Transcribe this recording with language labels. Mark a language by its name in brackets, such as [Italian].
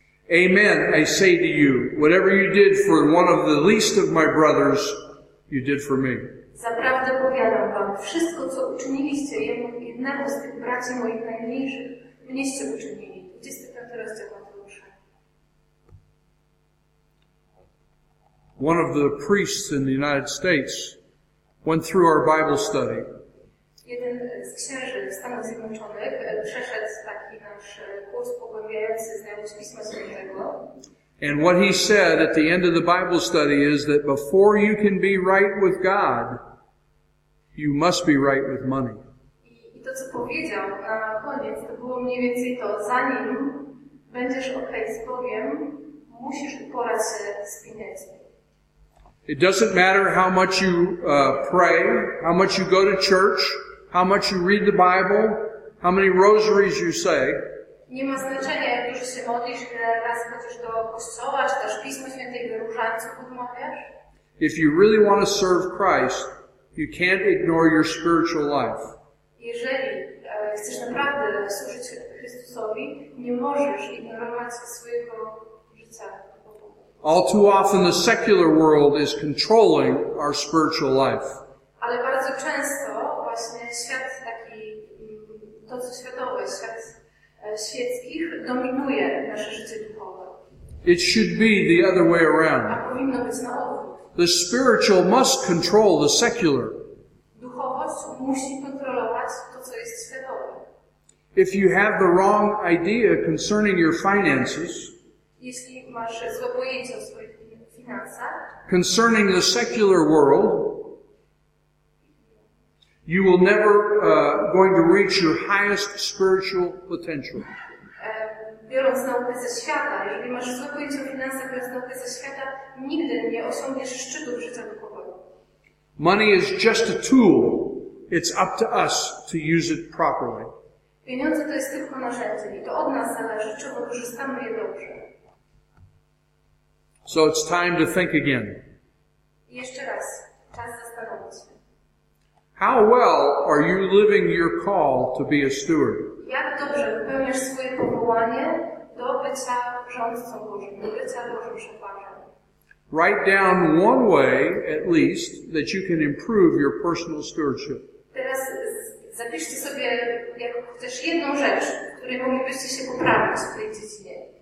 [English] Amen, I say to you, whatever you did for one of the least of my brothers, you did for me. [Polish] Zaprawdę powiadam wam, wszystko co uczyniliście jednemu z tych braci moich najmniejszych, mnieście uczynili. 25 rozdział Mateusza. [English] One of the priests in the United States went through our Bible study. [Polish] Jeden z księży w Stanach Zjednoczonych przeszedł taki nasz kurs pogłębiający znajomość Pisma Świętego. [English] And what he said at the end of the Bible study is that before you can be right with God, you must be right with money. [Polish] I to, co powiedział na koniec, to było mniej więcej to, zanim będziesz okej z Bogiem, musisz uporać się z pieniędzmi. [English] It doesn't matter how much you pray, how much you go to church, how much you read the Bible, how many rosaries you say. [Polish] Nie ma znaczenia, jak dużo się modlisz, ile razy chodzisz do kościoła, czy też Pismo Święte i wyróżańców odmawiasz. [English] If you really want to serve Christ, you can't ignore your spiritual life. [Polish] Jeżeli chcesz naprawdę służyć Chrystusowi, nie możesz ignorować swojego życia. [English] All too often the secular world is controlling our spiritual life. [Polish] Ale bardzo często właśnie świat taki, to co światowe, świat świeckich dominuje nasze życie duchowe. [English] It should be the other way around. [Polish] A powinno być na odwrót. [English] The spiritual must control the secular. [Polish] Duchowość musi kontrolować to, co jest światowe. [English] If you have the wrong idea concerning your finances, [Polish] jeśli masz złe pojęcie o swoich finansach, [English] concerning the secular world, you will never going to reach your highest spiritual potential. [Polish] Biorąc naukę ze świata, jeżeli masz złe pojęcie o finansach, biorąc naukę ze świata, nigdy nie osiągniesz szczytu życia duchowego. [English] Money is just a tool. It's up to us to use it properly. [Polish] Pieniądze to jest tylko narzędzie i to od nas zależy, czy wykorzystamy je dobrze. [English] So it's time to think again. [Polish] Jeszcze raz. Czas zastanowić się. [English] How well are you living your call to be a steward? [Polish] Jak dobrze wypełniasz swoje powołanie do bycia rządcą Bożym, do bycia Bożym szefarzem? [English] Write down one way, at least, that you can improve your personal stewardship. [Polish] Teraz zapiszcie sobie jako też jedną rzecz, której moglibyście się poprawić w tej dziedzinie.